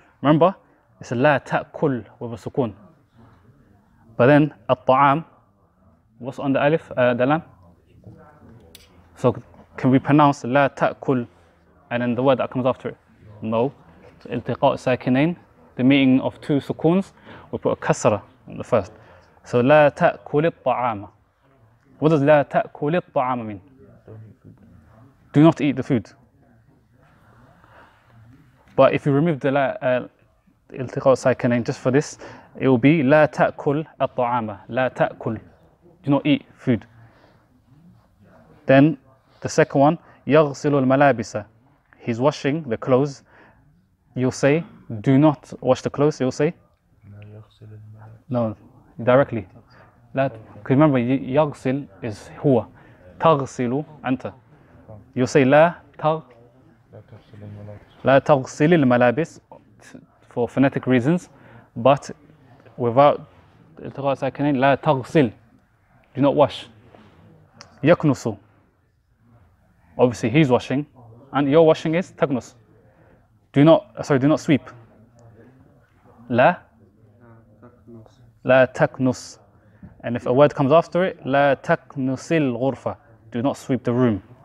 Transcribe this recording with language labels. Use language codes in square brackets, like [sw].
[en] Remember, it's a la ta'kul with a sukun. But then, al-ta'am, what's on the alif, the lam? So can we pronounce la ta'kul and then the word that comes after it? No. So iltiqa' sakinain, the meaning of two sukuns, we put a kasra on the first. So la ta'kuli ta'ama. What does [ar] لا تأكل الطعام [en] mean? Do not eat the food. But if you remove the التقاء ساكنين just for this, it will be [ar] لا تأكل الطعام. لا تأكل. [en] Do not eat food. Then the second one, [ar] يغسل الملابس. [en] He's washing the clothes. You'll say, do not wash the clothes. You'll say, no, directly. Because remember, يغسل is هو. تغسل أنت. You say [ar] لا تغسل الملابس [en] for phonetic reasons, but without التقاء ساكنين [ar] لا تغسل. [en] Do not wash. يكنس. Obviously, he's washing, and your washing is تكنس. Do not sweep. [ar] لا. لا تكنس. [en] And if a word comes after it, [ar] لا تكنس الغرفة, [en] do not sweep the room.